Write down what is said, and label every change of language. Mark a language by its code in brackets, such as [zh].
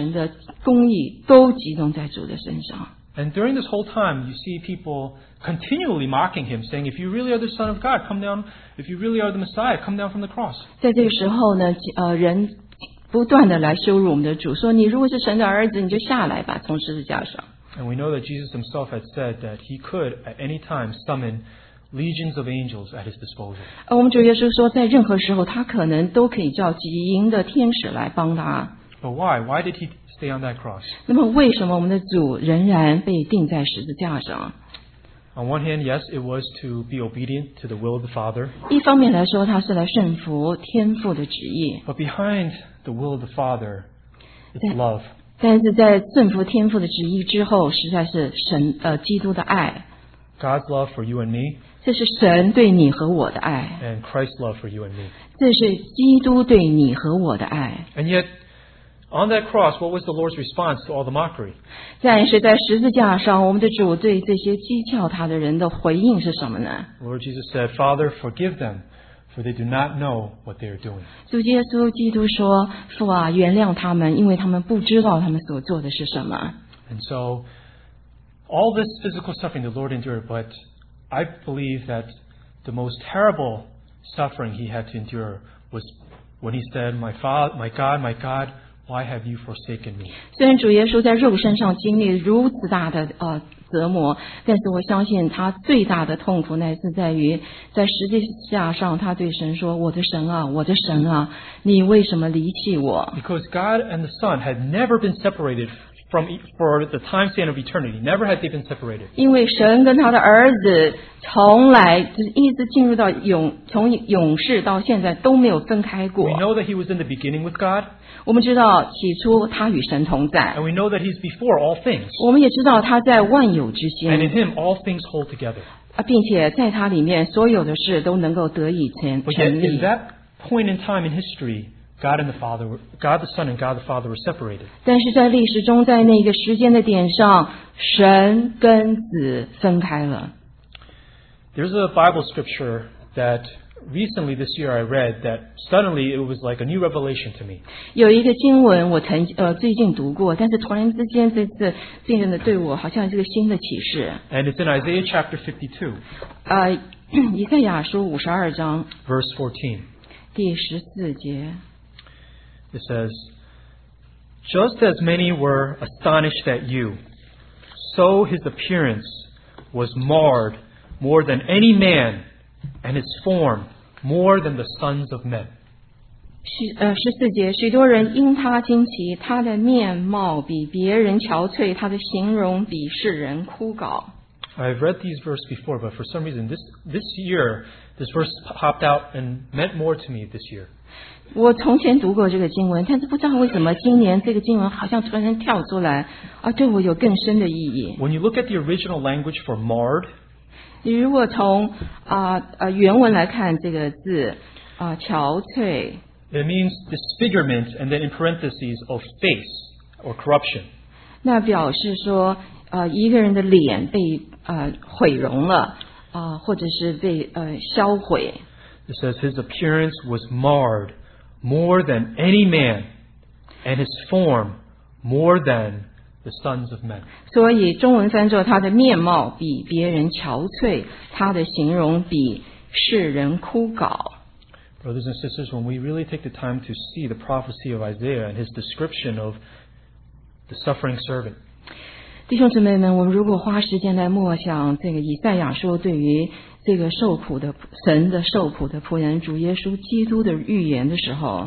[zh] 所以神的愤怒，神的怒气跟神的公义都集中在主的身上。 [en] And during this whole time, you see people continually mocking him, saying, if you really are the Son of God, come down. If you really are the Messiah, come down from the cross. [zh] 在这个时候呢，人不断地来羞辱我们的主，说你如果是神的儿子，你就下来吧，从十字架上。 [en] And we know that Jesus himself had said that he could at any time summon legions of angels at his disposal. [zh] 我们主耶稣说，在任何时候，他可能都可以叫极阴的天使来帮他。 [en] But why? Why did he stay on that cross? [zh] 那么为什么我们的主仍然被钉在十字架上？ [en] On one hand, yes, it was to be obedient to the will of the Father. [zh] 一方面来说，他是来顺服天父的旨意。 [en] But behind the will of the Father, it's love. [zh] 但是在顺服天父的旨意之后，实在是神基督的爱。 [en] God's love for you and me. [zh] 这是神对你和我的爱。 [en] And Christ's love for you and me. [zh] 这是基督对你和我的爱。 [en] And yet. On that cross, what was the Lord's response to all the mockery? [zh] 但是在十字架上，我们的主对这些讥诮他的人的回应是什么呢？ [en] Lord Jesus said, "Father, forgive them, for they do not know what they are doing." [zh] 主耶稣基督说，父啊，原谅他们，因为他们不知道他们所做的是什么。 [en] And so, all this physical suffering the Lord endured, but I believe that the most terrible suffering he had to endure was when he said, "My Father, my God, my God." Why have you forsaken me? [zh] 虽然主耶稣在肉身上经历如此大的折磨，但是我相信他最大的痛苦乃是在于在十字架上，他对神说：“我的神啊，我的神啊，你为什么离弃我？” [en] Because God and the Son had never been separated for the time span of eternity. Never had they been separated. [zh] 因为神跟他的儿子从来就是一直进入到从永世到现在都没有分开过。 [en] We know that he was in the beginning with God. [zh] 我们知道起初他与神同在。 [en] And we know that he's before all things. [zh] 我们也知道他在万有之先。 [en] And in him all things hold together. [zh] 并且在他里面所有的事都能够得以成立。 [en] But yet, in that point in time in history, God the Son and God the Father were separated. [zh] 但是在历史中，在那个时间的点上，神跟子分开了。 [en] There's a Bible scripture that. Recently this year I read that suddenly it was like a new revelation to me. [zh] 有一个经文我最近读过，但是突然之间这次经文的对我好像是个新的启示。 [en] And it's in Isaiah chapter 52. [zh] 以赛亚书52章。 [en] Verse 14. [zh] 第14节。 [en] It says, Just as many were astonished at you, so his appearance was marred more than any man. And his form more than the sons of men. [zh] 14节，许多人因他惊奇，他的面貌比别人憔悴，他的形容比世人枯槁。 [en] I've read these verses before, but for some reason this year, this verse popped out and meant more to me this year. [zh] 我从前读过这个经文，但是不知道为什么今年这个经文好像突然跳出来，对我有更深的意义。 [en] When you look at the original language for marred. [zh] 你如果从原文来看这个字憔悴 [en] It means disfigurement and then in parentheses of face or corruption [zh] 那表示说一个人的脸被毁容了或者是被销毁 [en] It says his appearance was marred more than any man and his form more thanThe sons of men. [zh] 所以中文翻作他的面貌比别人憔悴，他的形容比世人枯槁。 [en] Brothers and sisters, when we really take the time to see the prophecy of Isaiah and his description of the suffering servant. [zh] 弟兄姊妹们，我们如果花时间来默想这个以赛亚书对于这个受苦的神的受苦的仆人主耶稣基督的预言的时候